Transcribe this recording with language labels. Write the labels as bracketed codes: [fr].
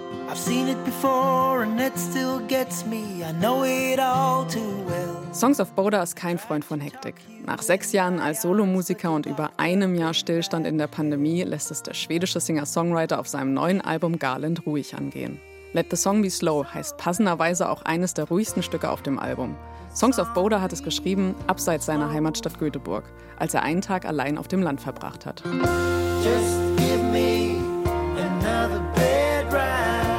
[en] I've seen it before and it still gets me. I know it all too well. [de] Songs of Bodar ist kein Freund von Hektik. Nach 6 Jahren als Solomusiker und über 1 Jahr Stillstand in der Pandemie lässt es der schwedische Singer-Songwriter auf seinem neuen Album Garland ruhig angehen. Let the Song Be Slow heißt passenderweise auch eines der ruhigsten Stücke auf dem Album. Songs of Bodar hat es geschrieben, abseits seiner Heimatstadt Göteborg, als er einen Tag allein auf dem Land verbracht hat. [en] Just give me another bed ride.